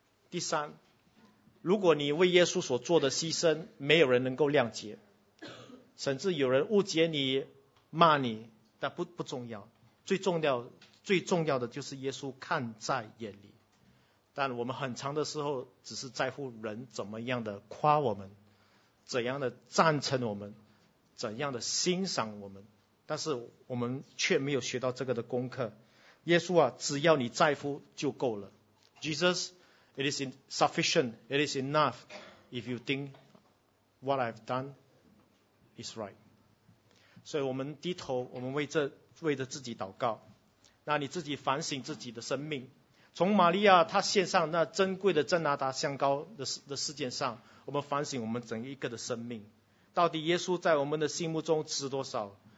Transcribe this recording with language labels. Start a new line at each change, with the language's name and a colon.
Chinese: 第三，如果你为耶稣所做的牺牲没有人能够谅解，甚至有人误解你骂你，但不重要，最重要的就是耶稣看在眼里。但我们很长的时候只是在乎人怎么样的夸我们，怎样的赞成我们，怎样的欣赏我们，但是我们却没有学到这个的功课。耶稣啊，只要你在乎就够了。
English: Jesus it is sufficient, it is enough if you think what I've done is right。
Chinese: 所以我们低头，我们为着自己祷告，那你自己反省自己的生命，从玛利亚她献上那珍贵的真拿达香膏的事件上，我们反省我们整一个的生命，到底耶稣在我们的心目中值多少？